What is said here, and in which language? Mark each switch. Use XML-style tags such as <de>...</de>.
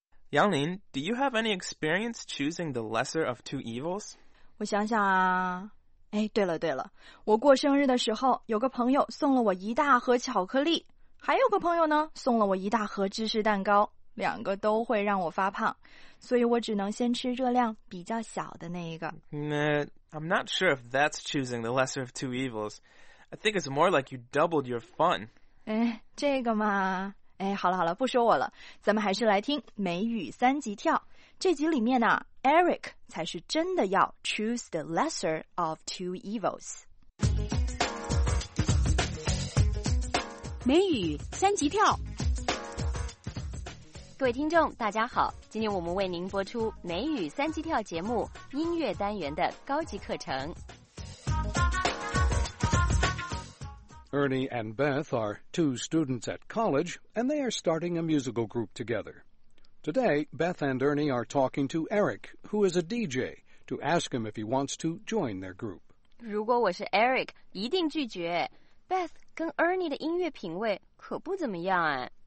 <en>杨林， do you have any experience choosing the lesser of two evils?</en> <zh>我想想啊，哎，对了对了，我过生日的时候，有个朋友送了我一大盒巧克力，还有个朋友呢，送了我一大盒芝士蛋糕，两个都会让我发胖，所以我只能先吃热量比较小的那一个。</zh> <en>I'm not sure if that's choosing the lesser of two evils. I think it's more like you doubled your fun.</en> <zh>哎，这个嘛，哎，好了好了，不说我了，咱们还是来听美语三级跳。这集里面呢， Eric 才是真的要</zh> <en>choose the lesser of two evils。</en> <zh>美语三级跳。各位听众大家好，今天我们为您播出美语三级跳节目音乐单元的高级课程。</zh> <en>Ernie and Beth are two students at college and they are starting a musical group together. Today, Beth and Ernie are talking to Eric, who is a DJ, to ask him if he wants to join their group.</en> <zh>如果我是 Eric, 一定拒绝。Beth 跟 Ernie 的音乐品味可不怎么样啊。</zh>